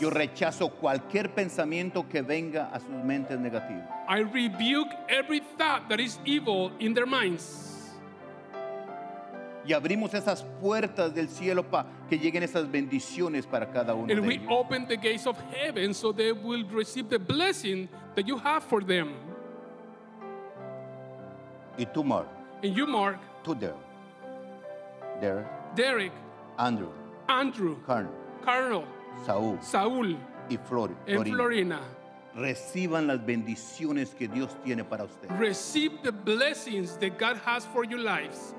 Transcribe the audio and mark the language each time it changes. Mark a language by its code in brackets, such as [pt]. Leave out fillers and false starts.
[es] Yo rechazo cualquier pensamiento que venga a sus mentes negativas. [en] I rebuke every thought that is evil in their minds. [es] Y abrimos esas puertas del cielo para que lleguen esas bendiciones para cada uno de ellos. [en] And we open the gates of heaven so they will receive the blessing that you have for them. [es] Y tú, Mark. [en] And you, Mark. [es] Tú, Derek. [en] Derek. Andrew. Carl. Saul. [es] Y Florina. Reciban las bendiciones que Dios tiene para usted. [en] Receive the blessings that God has for your lives.